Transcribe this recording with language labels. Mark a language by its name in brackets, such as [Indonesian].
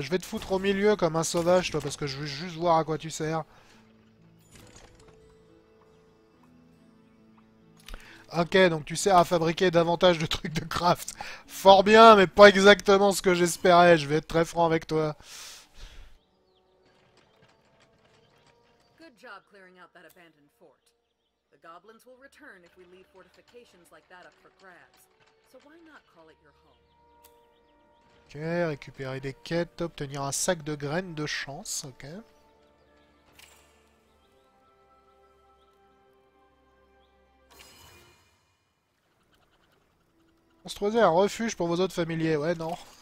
[French] Je vais te foutre au milieu comme un sauvage, toi, parce que je veux juste voir à quoi tu sers. Ok, donc tu sers à fabriquer davantage de trucs de craft. Fort bien, mais pas exactement ce que j'espérais, je vais être très franc avec toi. [English] Good job clearing out that abandoned fort. The goblins will return if we leave fortifications like that up for grabs. So why not call it your home? [French] Ok, récupérer des quêtes, obtenir un sac de graines de chance, ok. Construisez un refuge pour vos autres familiers, ouais non.